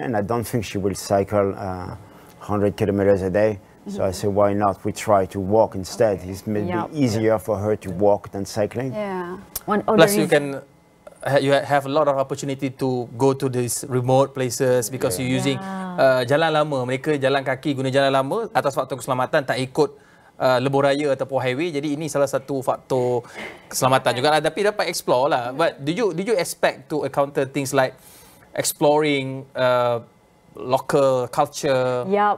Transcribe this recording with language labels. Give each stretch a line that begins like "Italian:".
English: And I don't think she will cycle 100 kilometers a day. So I said, why not? We try to walk instead. It's maybe easier for her to walk than cycling. Plus you can... You have a lot of opportunity to go to these remote places because you're using jalan lama.
Malay: Mereka jalan kaki guna jalan lama atas faktor keselamatan, tak ikut lebuh raya ataupun highway. Jadi ini salah satu faktor keselamatan juga lah. Tapi dapat explore lah.
English: But did you expect to encounter things like exploring local culture?